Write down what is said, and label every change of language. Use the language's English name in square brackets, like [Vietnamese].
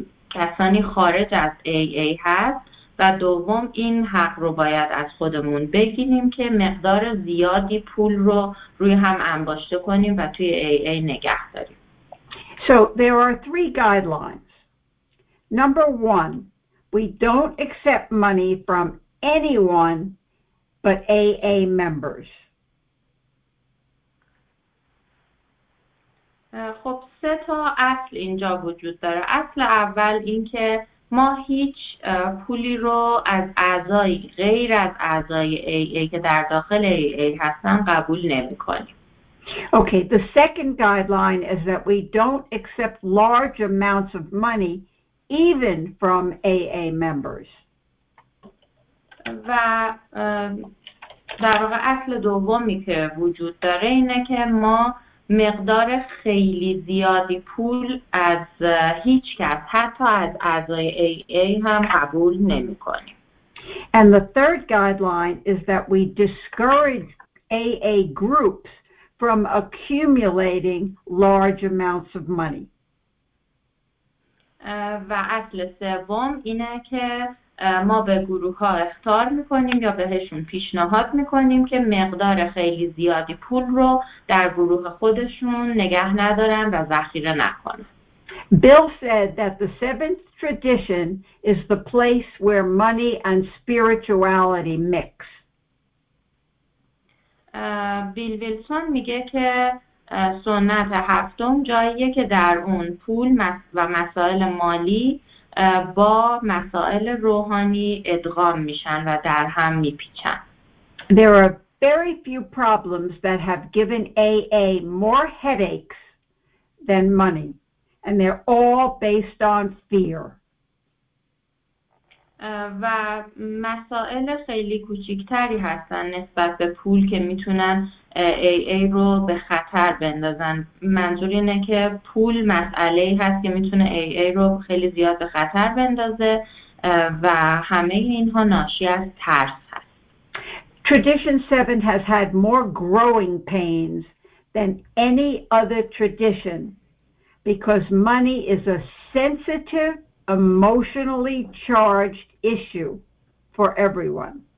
[Persian] کسانی خارج از AA هست و دوم این حق رو باید از خودمون بگیریم که مقدار زیادی پول رو روی هم انباشته کنیم و توی AA نگه داریم. [English] So there are three guidelines. Number one, we don't accept money from anyone but AA members. [Persian] خب سه تا اصل اینجا وجود داره. اصل اول این که ما هیچ پولی رو از اعضای غیر از اعضای AA که در داخل AA هستن قبول نمی کنیم. [English] Okay, the second guideline is that we don't accept large amounts of money even from AA members. [Persian] و در واقع اصل دومی که وجود داره اینه که ما مقدار خیلی زیادی پول از هیچ کس حتی از اعضای AA هم قبول نمی کنیم. [English] And the third guideline is that we discourage AA groups from accumulating large amounts of money. [Persian] و اصل سوم اینه که ما به گروه ها اختار میکنیم یا بهشون پیشنهاد میکنیم که مقدار خیلی زیادی پول رو در گروه خودشون نگه ندارن و ذخیره نکنن. [English] Bill said that the seventh tradition is the place where money and spirituality mix. [Persian] بیل ویلسون میگه که سنت هفتم جاییه که در اون پول و مسائل مالی با مسائل روحانی ادغام میشن و در هم میپیچن. [English] There are very few problems that have given AA more headaches than money, and they're all based on fear. [Persian] و مسائل خیلی کوچیکتری هستن نسبت به پول که میتونن AA رو به خطر بندازن. منظور اینه که پول مسئله هست که میتونه AA رو خیلی زیاد به خطر بندازه و همه اینها ناشی از ترس هست. [English] Tradition 7 has had more growing pains than any other tradition because money is a sensitive, emotionally charged issue for everyone.